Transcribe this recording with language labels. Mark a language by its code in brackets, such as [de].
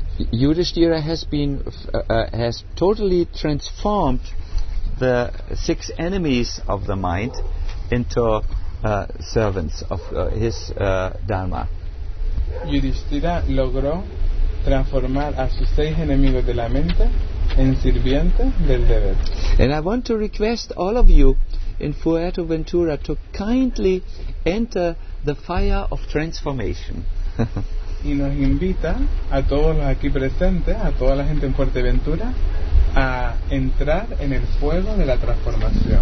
[en] Yudhishthira has been has totally transformed the six enemies of the mind into servants of his dharma. [es] Yudhishthira logró transformar a sus seis enemigos de la mente en sirvientes del deber. [en] And I want to request all of you in Fuerteventura to kindly enter the fire of transformation. [es] Y nos invita a todos los aquí presentes, a toda la gente en Fuerteventura, a entrar en el fuego de la transformación.